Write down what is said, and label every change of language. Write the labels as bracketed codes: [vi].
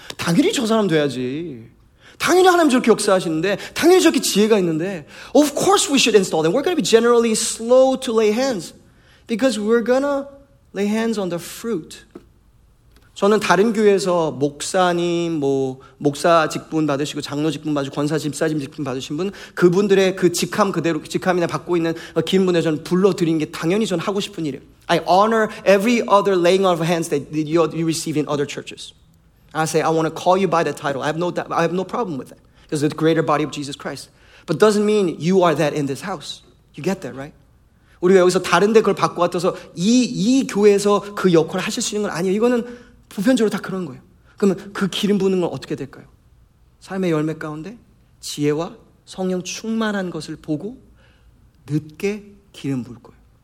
[ko] 당연히 저 사람 돼야지. 당연히 하나님 저렇게 역사하시는데 당연히 저렇게 지혜가 있는데 [en] Of course we should install them. We're going to be generally slow to lay hands because we're going to lay hands on the fruit. [ko] 저는 다른 교회에서 목사님, 뭐 목사 직분 받으시고 장로 직분 받으시고 권사 집사님 직분 받으신 분 그분들의 그 직함 그대로 직함이나 받고 있는 긴 분에 저는 불러드린 게 당연히 저는 하고 싶은 일이에요. [en] I honor every other laying of hands that you receive in other churches. I say, I want to call you by the title. I have no problem with that. Because it's the greater body of Jesus Christ. But doesn't mean you are that in this house. You get that, right? [ko] 우리가 여기서 다른 데 그걸 받고 왔어서 이 교회에서 그 역할을 하실 수 있는 건 아니에요. 이거는 보편적으로 다 그런 거예요. 그러면 그 기름 부는 건 어떻게 될까요? 삶의 열매 가운데 지혜와 성령 충만한 것을 보고 늦게 기름 부을 거예요.